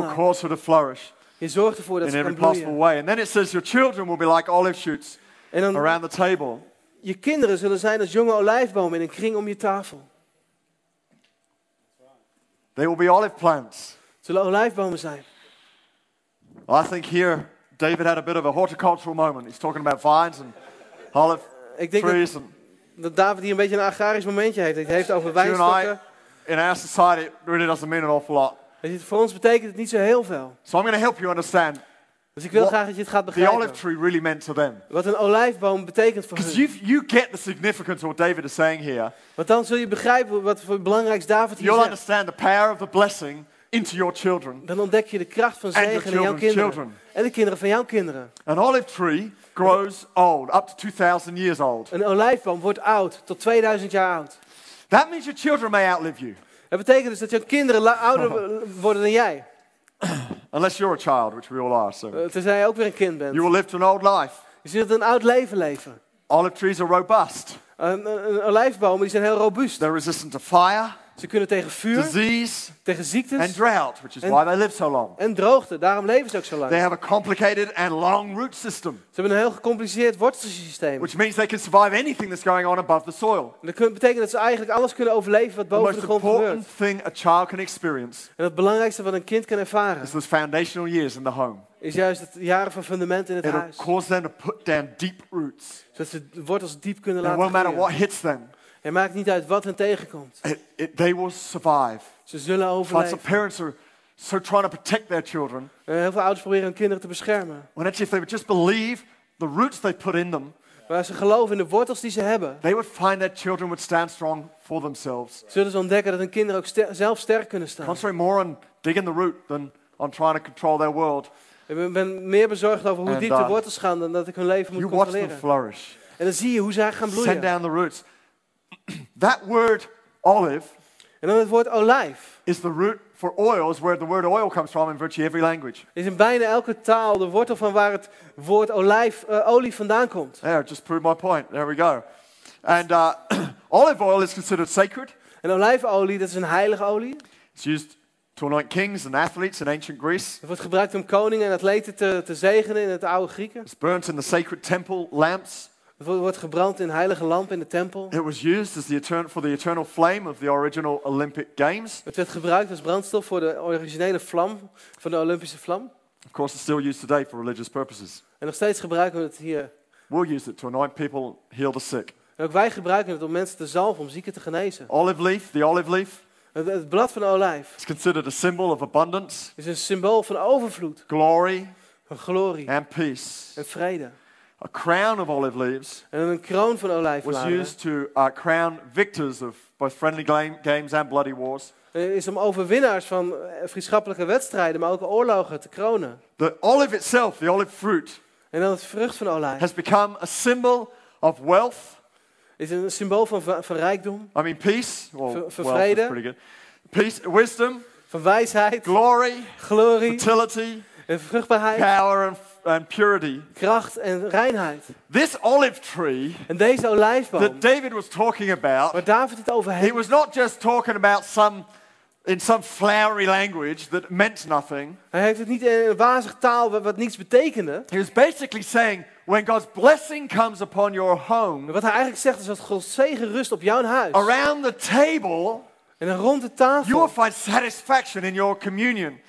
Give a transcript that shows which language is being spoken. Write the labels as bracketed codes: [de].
[en] You will cause her to flourish. [nl] Je zorgt ervoor dat [en] in [nl] ze [en] every possible way. And then it says your children will be like olive shoots around the table. [nl] Je kinderen zullen zijn als jonge olijfbomen in een kring om je tafel. [en] They will be olive plants. [nl] Zullen olijfbomen zijn. [en] I think here David had a bit of a horticultural moment. He's talking about vines and olive trees. [nl] Dat David hier een beetje een agrarisch momentje heeft. Hij heeft over wijnstokken. [en] In our society, it really doesn't mean an awful lot. [nl] Voor ons betekent het niet zo heel veel. [en] So I'm going to help you understand. [nl] Dus ik wil graag dat je het gaat begrijpen. [en] The olive tree really meant to them. [nl] Wat een olijfboom betekent voor hen. [en] Because you get the significance of what David is saying here. [nl] Want dan zul je begrijpen wat voor belangrijks David hier zegt. [en] You'll understand the power of the blessing into your children. [nl] Dan ontdek je de kracht van zegen in jouw kinderen. En de kinderen van jouw kinderen. [en] An olive tree grows old, up to 2,000 years old. [nl] Een olijfboom wordt oud, tot 2,000 jaar oud. [en] That means your children may outlive you. [nl] Dat betekent dus dat jouw kinderen ouder worden dan jij. [en] Unless you're a child, which we all are, so. [nl] Terwijl jij ook weer een kind bent. [en] You will live to an old life. [nl] Je zult een oud leven leven. [en] Olive trees are robust. [nl] Een olijfbomen die zijn heel robuust. [en] They're resistant to fire. [nl] Ze kunnen tegen vuur. [en] Disease. [nl] Tegen ziektes. [en] And drought, which is why they live so long. [nl] En droogte, daarom leven ze ook zo lang. [en] They have a complicated and long root system. [nl] Ze hebben een heel gecompliceerd wortelsysteem. [en] Which means they can survive anything that's going on above the soil. [nl] En dat betekent dat ze eigenlijk alles kunnen overleven wat boven de grond gebeurt. [en] The most important thing a child can experience. [nl] En het belangrijkste wat een kind kan ervaren. [en] Is those foundational years in the home. [nl] Is juist het jaren van fundament in het [en] It'll [nl] huis. [en] It'll cause them to put down deep roots. [nl] Zodat ze de wortels diep kunnen [en] and [nl] laten groeien. [en] No matter what hits them. [nl] Het maakt niet uit wat hen tegenkomt. [en] They will survive. [nl] Ze zullen overleven. [en] Some parents are so trying to protect their children. [nl] Heel veel ouders proberen hun kinderen te beschermen. [en] When actually, if they would just believe the roots they put in them. [nl] Maar als ze geloven in de wortels die ze hebben. [en] They would find that children would stand strong for themselves. [nl] Zullen ze ontdekken dat hun kinderen ook zelf sterk kunnen staan. [en] Concentrate more on digging the root than on trying to control their world. [nl] Ik ben meer bezorgd over hoe diep de wortels gaan dan dat ik hun leven moet [en] you [nl] controleren. [en] You watch them flourish. [nl] En dan zie je hoe zij gaan bloeien. [en] Send down the roots. That word olive, [nl] en dan het woord olijf, [en] is the root for oil, is where the word oil comes from in virtually every language. [nl] Is in bijna elke taal de wortel van waar het woord olie vandaan komt. [en] There, just prove my point. There we go. And olive oil is considered sacred. [nl] En olijfolie, dat is een heilige olie. [en] It's used to anoint kings and athletes in ancient Greece. [nl] Het wordt gebruikt om koningen en atleten te zegenen in het oude Grieken. [en] It's burnt in the sacred temple lamps. [nl] Het wordt gebrand in heilige lamp in de tempel. [en] It was used as for the eternal flame of the original Olympic Games. [nl] Het werd gebruikt als brandstof voor de originele vlam van de Olympische vlam. [en] Of course, it's still used today for religious purposes. [nl] En nog steeds gebruiken we het hier. [en] We'll use it to anoint people, heal the sick. [nl] En ook wij gebruiken het om mensen te zalven om zieken te genezen. [en] Olive leaf, the olive leaf. [nl] Het blad van de olijf. [en] It's considered a symbol of abundance. [nl] Is een symbool van overvloed. [en] Glory. [nl] Van glorie. [en] And peace. [nl] En vrede. [en] A crown of olive leaves [nl] en een kroon van olijfbladeren [en] was used to crown victors of both friendly games and bloody wars. [nl] Is om overwinnaars van vriendschappelijke wedstrijden, maar ook oorlogen te kronen. [en] The olive itself, the olive fruit, [nl] en dan het vrucht van olijf, [en] has become a symbol of wealth. [nl] Is een symbool van rijkdom. [en] I mean peace, well, [nl] van vrede. [en] Pretty good. Peace, wisdom, [nl] van wijsheid. [en] Glory, [nl] glorie. [en] Fertility, [nl] en vruchtbaarheid. [en] Power and purity. [nl] Kracht en reinheid. [en] This olive tree. [nl] En deze olijfboom. [en] That David was talking about. [nl] Waar David het over heeft. [en] He was not just talking about some flowery language that meant nothing. [nl] Hij heeft het niet in een wazig taal wat niets betekende. [en] He was basically saying when God's blessing comes upon your home. [nl] Wat hij eigenlijk zegt is dat Gods zegen rust op jouw huis. [en] Around the table. [nl] En rond de tafel. [en] You will find satisfaction in your communion.